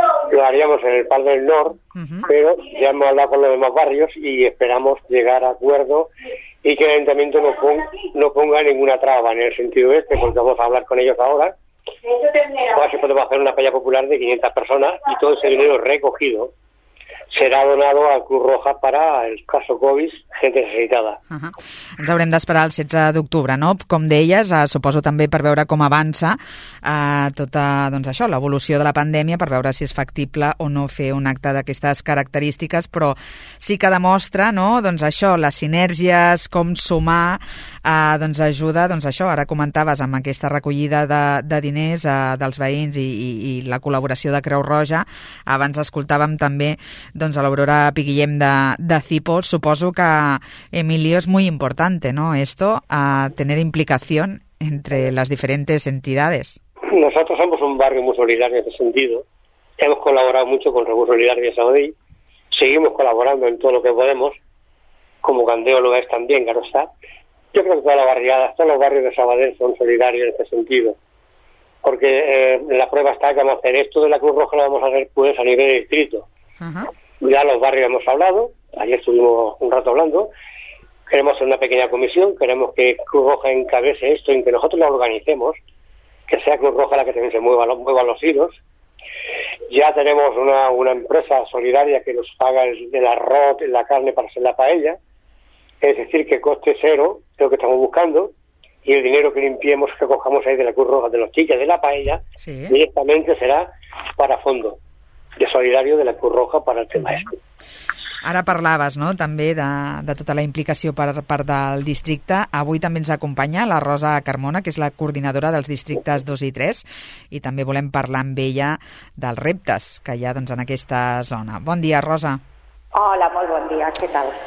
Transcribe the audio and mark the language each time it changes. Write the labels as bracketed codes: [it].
[es] Lo haríamos en el Parque del Norte, uh-huh, pero ya hemos hablado con los demás barrios y esperamos llegar a acuerdo y que el ayuntamiento no ponga ninguna traba en el sentido este, porque vamos a hablar con ellos ahora. Pues así podemos hacer una paella popular de 500 personas y todo ese dinero recogido serà donado a Cruz Roja para el caso COVID, gente necesitada. Uh-huh. [ca] Ens haurem d'esperar el 16 d'octubre, no? Com deies, suposo també per veure com avança tota doncs això, l'evolució de la pandèmia, per veure si és factible o no fer un acte d'aquestes característiques, però sí que demostra, no?, doncs això, les sinergies, com sumar, doncs ajuda, doncs això, ara comentaves, amb aquesta recollida de diners dels veïns i la col·laboració de Creu Roja. Abans escoltàvem també doncs a l'Aurora Piguillem de Cipo. Suposo que, [es] Emilio, es muy importante, ¿no?, esto, a tener implicación entre las diferentes entidades. Nosotros somos un barrio muy solidario en ese sentido. Hemos colaborado mucho con Recursos Solidarios de Sabadell. Seguimos colaborando en todo lo que podemos, como Candeo lo es también, claro está. Yo creo que toda la barriada, todos los barrios de Sabadell son solidarios en ese sentido. Porque la prueba está que vamos a hacer esto de la Cruz Roja, lo vamos a hacer pues a nivel de distrito. Ya los barrios hemos hablado, ayer estuvimos un rato hablando, queremos hacer una pequeña comisión, queremos que Cruz Roja encabece esto y que nosotros lo organicemos, que sea Cruz Roja la que también se mueva los hilos. Ya tenemos una empresa solidaria que nos paga el arroz, la carne para hacer la paella, es decir, que coste cero lo que estamos buscando, y el dinero que limpiemos, que cojamos ahí de la Cruz Roja, de los chiques, de la paella, sí, directamente será para fondo. de solidario de la Cruz Roja para el tema este. [ca] Ara parlaves, no?, també de tota la implicació per part del districte. Avui també ens acompanya la Rosa Carmona, que és la coordinadora dels districtes 2 i 3, i també volem parlar amb ella dels reptes que hi ha, doncs, en aquesta zona. Bon dia, Rosa. Hola, molt bon dia. Què tal?